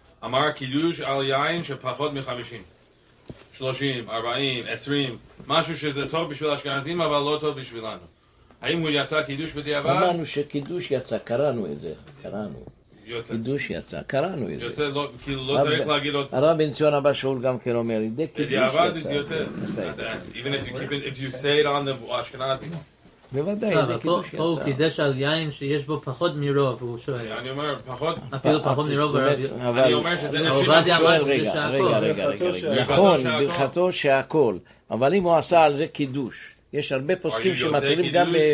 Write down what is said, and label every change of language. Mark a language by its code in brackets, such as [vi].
[he] אמר קידוש על יין שפחות מ-50. 30, 40, 20, משהו שזה טוב בשביל האשכנזים, אבל לא טוב בשבילנו. האם הוא יצא קידוש בדיעבד? אמרנו שקידוש יצא, קראנו את זה, קראנו. קידוש יצא, קראנו את זה. יוצא, כאילו לא צריך להגיד עוד... הרב בן ציון אבא שאול גם כן אומר, בדיעבד זה יוצא. [en] Even if you say it on the אשכנזים. [he] בוודאי, זה קידוש יצא. פה הוא קידש על יין שיש בו פחות מרוב, הוא שואל. אני אומר, פחות... אפילו פחות מרוב. אני אומר שזה... עובד יאמר שזה שעקול. רגע. נכון, ברכתו שעקול. אבל אם הוא עשה על זה קידוש, יש הרבה פוסקים שמתירים גם...